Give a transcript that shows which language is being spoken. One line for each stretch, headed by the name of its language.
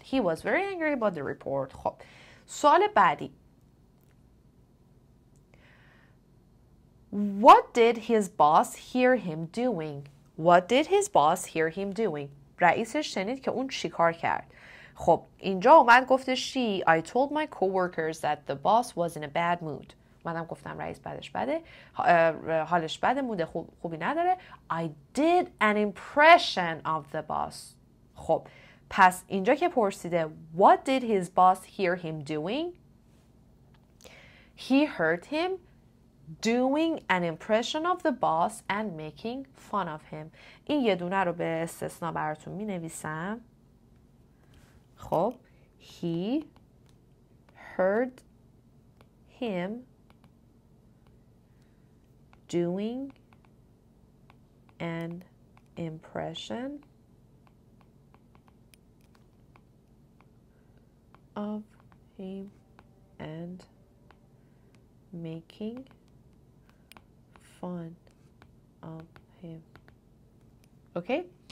English: He was very angry about the report.
Persian: خب. سوال بعدی.
English: What did his boss hear him doing? What did his boss hear him doing?
Persian: رئیسش شنید که اون چیکار کرد. خب اینجا اومد گفتش she.
English: I told my coworkers that the boss was in a bad mood.
Persian: منم گفتم رئیس بدش بده. حالش بده، موده خوبی نداره.
English: I did an impression of the boss.
Persian: خب پس اینجا که پرسیده
English: what did his boss hear him doing? He heard him doing an impression of the boss and making fun of him.
Persian: این یه دونه رو به استثناء براتون می نویسم.
English: خب he heard him doing an impression of him and making fun of him. Okay?